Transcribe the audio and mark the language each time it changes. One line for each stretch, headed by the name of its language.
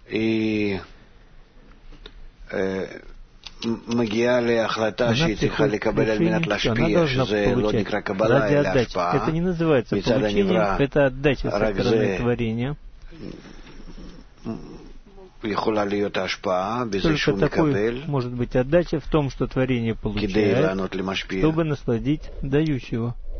Hebrew: И מגיעה להחלטה שהיא צריכה לקבל על מנת להשפיע, שזה לא נקרא קבלה, אלא השפעה.
Russian: Это не называется получение, это отдача со стороны творения.
Hebrew: יכולה להיות ההשפעה בזה שהוא מקבל,
Russian: может быть отдача в том, что творение получает, чтобы насладить дающего.